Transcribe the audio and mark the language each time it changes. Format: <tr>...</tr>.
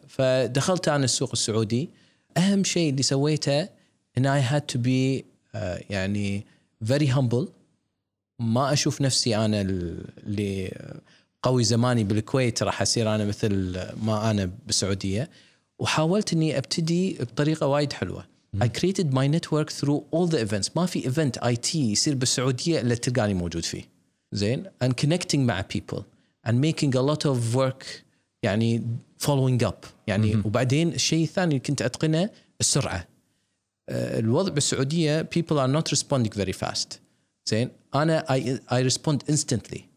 <ar>فدخلت أنا السوق السعودي، أهم شيء اللي سويته إن</ar> <en>I had to be</en> <ar>يعني</ar> <en>very humble.</en> <ar>ما أشوف نفسي أنا اللي قوي زماني بالكويت راح أصير أنا مثل ما أنا بالسعودية، وحاولت إني أبتدي بطريقة وايد حلوة.</ar> <en>I created my network through all the events.</en> <ar>ما في event IT يصير بالسعودية إلا تلقاني موجود فيه.</ar> <en>زين، and connecting</en> <ar>مع</ar> <en>people and making a lot of work يعني following up يعني.</en> <ar>وبعدين الشيء الثاني كنت أتقنه السرعة. الوضع بالسعودية</ar> <en>people are not responding very fast.</en> <ar>زين، أنا</ar> <en>I respond instantly.</en>